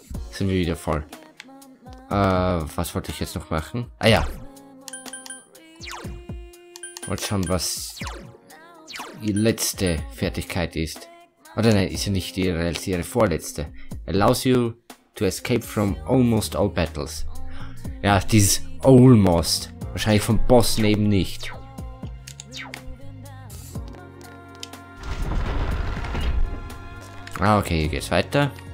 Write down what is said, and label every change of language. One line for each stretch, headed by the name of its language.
German: Sind wir wieder voll. Was wollte ich jetzt noch machen? Ah ja. Wollte schauen, was die letzte Fertigkeit ist. Oder nein, ist ja nicht ihre vorletzte.
English: Allows you to escape from almost all battles.
German: Ja, dieses almost. Wahrscheinlich vom Boss eben nicht. Ah, okay, hier geht's weiter.